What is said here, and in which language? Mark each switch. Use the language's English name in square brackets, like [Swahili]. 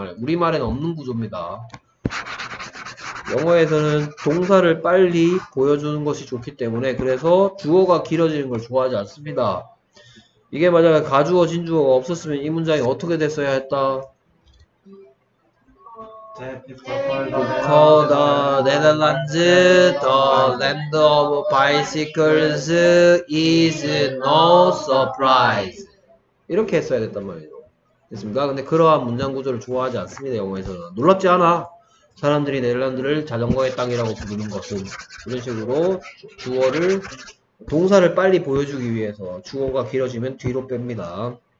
[Korean] 우리말에는 없는 구조입니다. 영어에서는 동사를 빨리 보여주는 것이 좋기 때문에 그래서 주어가 길어지는 걸 좋아하지 않습니다. 이게 만약에 가주어 진주어가 없었으면 이 문장이 어떻게 됐어야 했다? [English] Call the Netherlands the land of bicycles is no surprise. [Korean] 이렇게 했어야 됐단 말이죠. 됐습니까? 근데 그러한 문장 구조를 좋아하지 않습니다. 영어에서는 놀랍지 않아. 사람들이 네덜란드를 자전거의 땅이라고 부르는 것은 이런 식으로 주어를 동사를 빨리 보여주기 위해서 주어가 길어지면 뒤로 뺍니다.